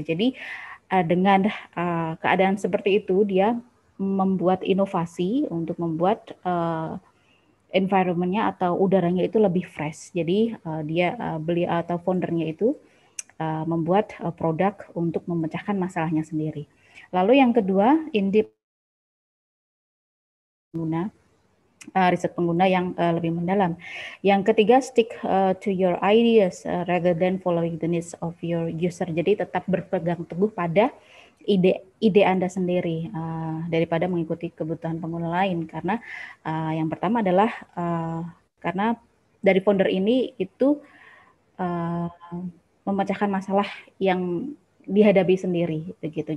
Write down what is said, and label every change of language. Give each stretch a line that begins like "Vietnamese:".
Indonesian: Jadi dengan keadaan seperti itu dia membuat inovasi untuk membuat environment-nya atau udaranya itu lebih fresh. Jadi dia beli atau foundernya itu membuat produk untuk memecahkan masalahnya sendiri. Lalu yang kedua, riset pengguna yang lebih mendalam. Yang ketiga,
English: stick to your ideas rather than following the needs of your user.
Indonesian: Jadi tetap berpegang teguh pada ide Anda sendiri daripada mengikuti kebutuhan pengguna lain, karena yang pertama adalah karena dari founder ini itu memecahkan masalah yang dihadapi sendiri begitu.